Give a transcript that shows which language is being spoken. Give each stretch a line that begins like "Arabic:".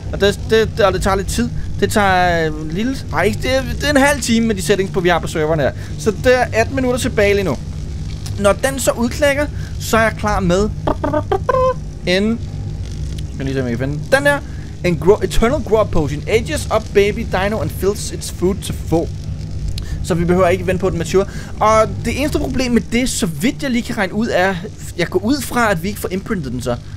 Danish: Og det tager lidt tid. Det tager det er en halv time med de settings, på vi har på serveren her. Så der er 18 minutter tilbage lige nu. Når den så udklikker, så er jeg klar med en... Kan lige se, om jeg kan finde den her. En Eternal Grow-up Potion.
English: Ages up baby dino and fills its food to full.
Danish: Så vi behøver ikke vente på den mature. Og det eneste problem med det, så vidt jeg lige kan regne ud, er... Jeg går ud fra, at vi ikke får imprintet den så.